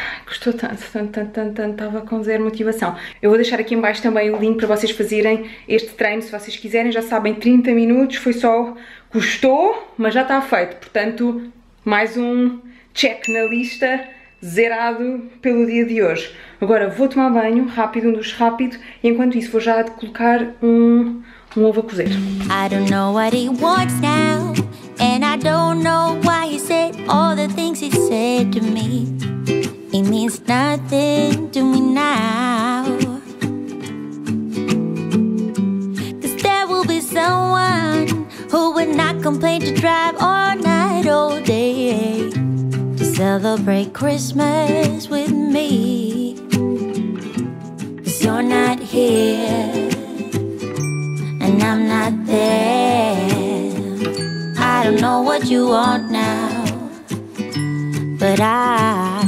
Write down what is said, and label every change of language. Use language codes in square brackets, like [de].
[pt] Gostou tanto, tanto, tanto, tanto, tanto, estava com zero motivação. Eu vou deixar aqui em baixo também o link para vocês fazerem este treino, se vocês quiserem, já sabem, 30 minutos, foi só, custou, mas já está feito. Portanto, mais um check na lista, zerado pelo dia de hoje. Agora vou tomar banho, rápido, um dos rápido, e enquanto isso vou já colocar um ovo a cozer. [en] I don't know what he wants now, and I don't know why he said all the things he said to me. It means nothing to me now, 'cause there will be someone who would not complain to drive all night, all day, to celebrate Christmas with me. 'Cause you're not here and I'm not there. I don't know what you want now, but I